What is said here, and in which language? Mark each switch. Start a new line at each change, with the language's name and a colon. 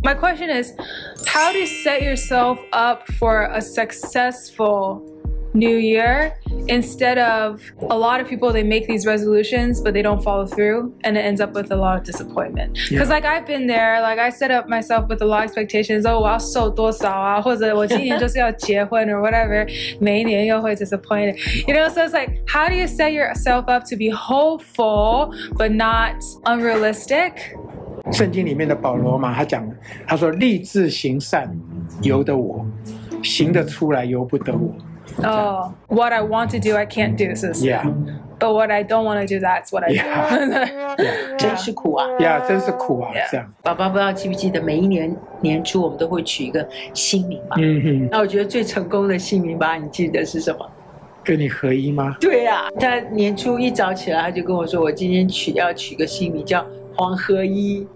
English: My question is, how do you set yourself up for a successful New Year instead of a lot of people, they make these resolutions but they don't follow through and it ends up with a lot of disappointment. Because、yeah. like I've been there, like I set up myself with a lot of expectations.
Chinese: Oh, 我要瘦多少啊，或者我今年就是要结婚
English: or whatever.
Chinese: 每一年又会 disappointed.
English: You know, so it's like, how do you set yourself up to be hopeful but not unrealistic?
Chinese: 圣经里面的保罗嘛，他讲，他说立志行善由得我，行得出来由不得我。
English: Oh, what I want to do, I can't do. So, yeah. But what I don't want to do, that's what I yeah. do. yeah.
Chinese: 真是苦啊 Yeah, 真是苦啊、yeah. 这样爸爸不知道记不记得每一年年初我们都会取一个姓名嘛、 mm-hmm. 那我觉得最成功的姓名吧，你记得是什么？跟你合一吗？对啊，他年初一早起来，他就跟我说，我今天要取个姓名叫黄合一。